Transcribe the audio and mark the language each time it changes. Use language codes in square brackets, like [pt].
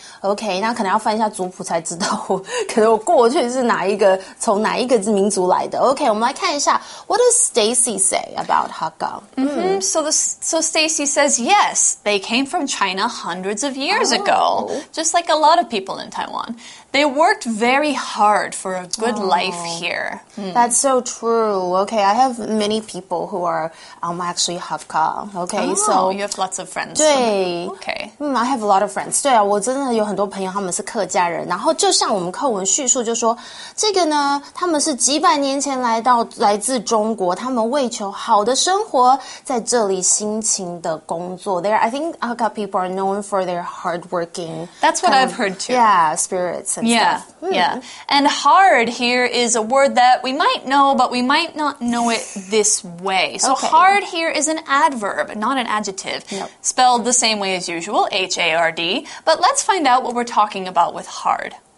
[zh] OK， 那可能要翻一下族谱才知道，可能我过去是哪一个，从哪一个民族来的。 [en] OK， [zh] 我们来看一下 [en] ，What does Stacy say about Hakka？ So Stacy says yes, they came from China hundreds of years ago, just like a lot of people in Taiwan. They worked very hard for a good life here. That's so true. Okay, I have many people who are actually Hakka. Okay, so you have lots of friends. [zh] 对 [en] ，Okay. I have a lot of friends. [zh] 对啊，我真的有很多朋友，他们是客家人。然后就像我们课文叙述，就说这个呢，他们是几百年前来自中国，他们为求好的生活，在这里辛勤的工作。 [en] There, I think Hakka people are known for their hardworking. That's what I've heard too. Yeah, spirit. Yeah. And hard here is a word that we might know, but we might not know it this way. So hard here is an adverb, not an adjective. Nope. Spelled the same way as usual, H-A-R-D. But let's find out what we're talking about with hard.